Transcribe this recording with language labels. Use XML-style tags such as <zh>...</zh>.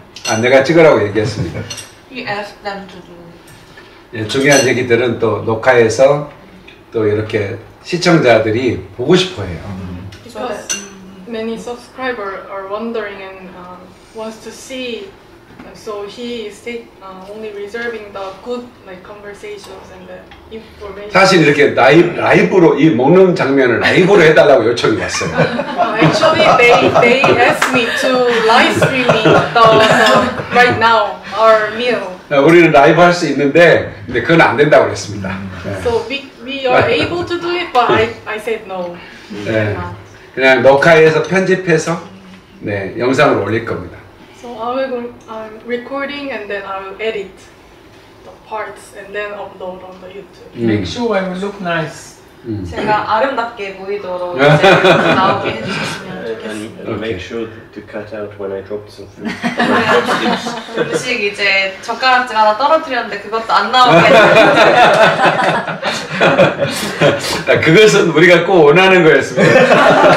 <ko>아, 내가 찍으라고 얘기했습니다.</ko> <en>You ask them to do.</en> <ko>예, 중요한 얘기들은 또 녹화해서 또 이렇게 시청자들이 보고 싶어해요.</ko> <en>Because many subscribers are wondering and wants to see, so he is only reserving the good like conversations and the information.</en> <ko>사실 이렇게 라이브로 이 먹는 장면을 라이브로 해달라고 요청이 왔어요.</ko> <en>Actually, they asked me to live streaming the right now our meal.</en> <ko>우리는 라이브 할 수 있는데, 근데 그건 안 된다고 그랬습니다.</ko> <en>So we are able to do it, but I said no. 네,</en> <ko>그냥 녹화해서 편집해서 네 영상을 올릴 겁니다.</ko> <en>I'm recording and then I'll edit the parts and then upload on the YouTube. Make sure I look nice.</en> <ko>제가 아름답게 보이도록 이제 나오게 해주셨으면 좋겠습니다.</ko> <en>And make sure to cut out when I drop something.</en> <ko>조금씩 이제 젓가락질 하나 떨어뜨렸는데 그것도 안 나오겠는데. 그것은 우리가 꼭 원하는 거였습니다.</ko>